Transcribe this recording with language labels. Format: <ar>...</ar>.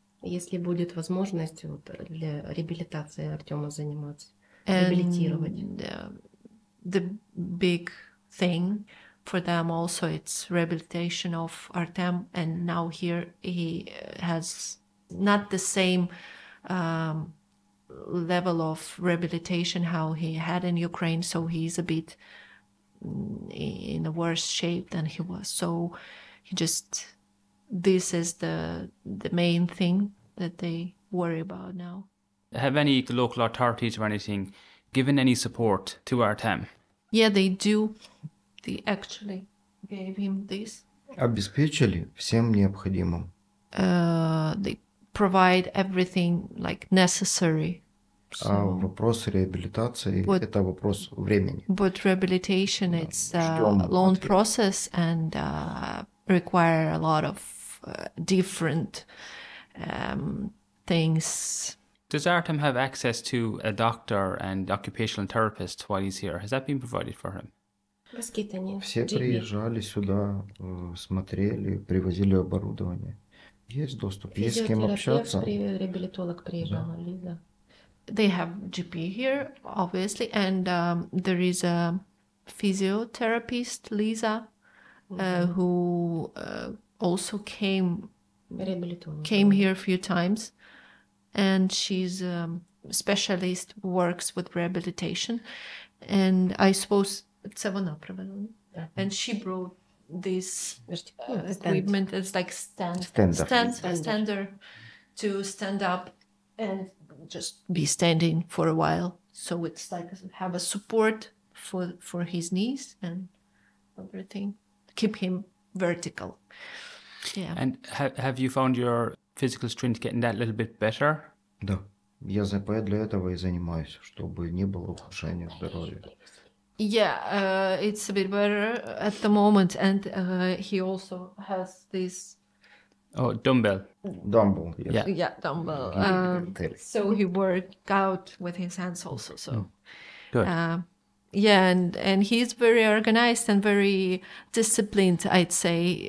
<ru>если будет возможность вот для реабилитации Артема заниматься, реабилитировать.</ru> <en>The big thing for them also it's rehabilitation of Artem, and now here he has not the same level of rehabilitation how he had in Ukraine, so he's a bit in a worse shape than he was. So he just, this is the main thing that they worry about now. Have any local authorities or anything given any support to Artem? Yeah, they do. They actually gave him this.</en> <ru>Обеспечили всем необходимым.</ru> <en>They provide everything like necessary.</en> <ru>А вопрос реабилитации – это вопрос времени.</ru> <en>But rehabilitation, it's a long process and require a lot of different things. Does Artem have access to a doctor and occupational therapist while he's here? Has that been provided for him?</en> <ru>Все приезжали сюда, смотрели, привозили оборудование. Есть доступ, есть с кем общаться. Реабилитолог приезжал, да.</ru> <en>They have GP here, obviously, and there is a physiotherapist, Lisa, who also came here a few times, and she's a specialist, works with rehabilitation, and I suppose</en> <uk>це вона провела,</uk> <en>and she brought this equipment. It's like stand to stand up and just be standing for a while, so it's like have a support for his knees and everything, keep him vertical. Yeah. And have you found your physical strength getting that little bit better?</en> <ru>Да, я за поэт для этого и занимаюсь, чтобы не было ухудшения здоровья.</ru> <en>Yeah, it's a bit better at the moment, and he also has this. Oh, dumbbell. Dumbbell, yes. Yeah, dumbbell. So he worked out with his hands also. So, good. Yeah, and he's very organized and very disciplined, I'd say.</en>